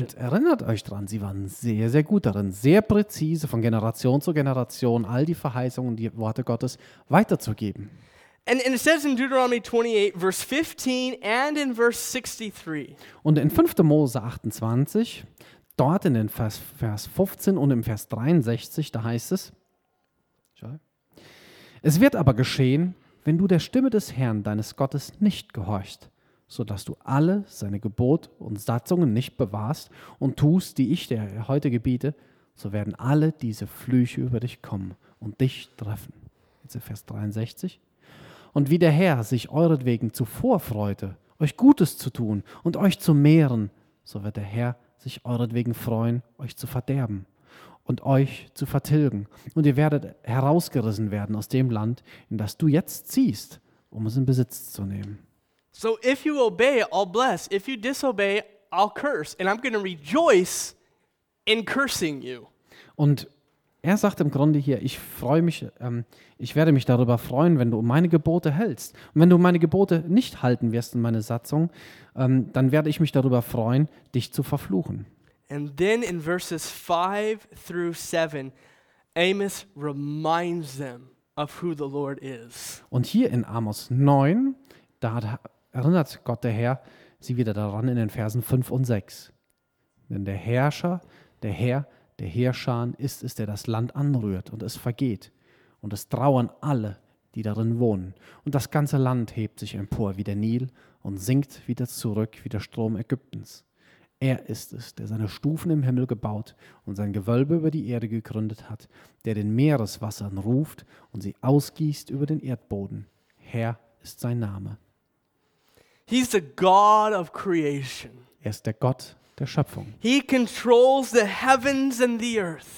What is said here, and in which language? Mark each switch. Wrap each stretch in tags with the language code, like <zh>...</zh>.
<de>Und erinnert euch dran, sie waren sehr, sehr gut darin, sehr präzise von Generation zu Generation all die Verheißungen und die Worte Gottes weiterzugeben.</de> <en>And it says in Deuteronomy 28, verse 15 and in verse 63.</en> <de>Und in 5. Mose 28, dort in den Vers 15 und im Vers 63, da heißt es, es wird aber geschehen, wenn du der Stimme des Herrn, deines Gottes, nicht gehorchst, sodass du alle seine Gebot und Satzungen nicht bewahrst und tust, die ich dir heute gebiete, so werden alle diese Flüche über dich kommen und dich treffen. Jetzt in Vers 63. Und wie der Herr sich euretwegen zuvor freute, euch Gutes zu tun und euch zu mehren, so wird der Herr sich euretwegen freuen, euch zu verderben und euch zu vertilgen. Und ihr werdet herausgerissen werden aus dem Land, in das du jetzt ziehst, um es in Besitz zu nehmen.</de> <en>So if you obey, I'll bless. If you disobey, I'll curse. And I'm going to rejoice in cursing you.</en> <de>Und er sagt im Grunde hier, ich freue mich, ich werde mich darüber freuen, wenn du meine Gebote hältst. Und wenn du meine Gebote nicht halten wirst in meine Satzung, dann werde ich mich darüber freuen, dich zu verfluchen.</de> <en>And then in verses 5 through 7, Amos reminds them of who the Lord is.</en> <de>Und hier in Amos 9, da erinnert Gott der Herr sie wieder daran in den Versen 5 und 6. Denn der Herrscher, der Herr, der Heerscharen ist es, der das Land anrührt und es vergeht. Und es trauern alle, die darin wohnen. Und das ganze Land hebt sich empor wie der Nil und sinkt wieder zurück wie der Strom Ägyptens. Er ist es, der seine Stufen im Himmel gebaut und sein Gewölbe über die Erde gegründet hat, der den Meereswassern ruft und sie ausgießt über den Erdboden. Herr ist sein Name.</de> <en>He's the God of creation.</en> <de>Er ist der Gott der Schöpfung.</de> <en>He controls the heavens and the earth.</en>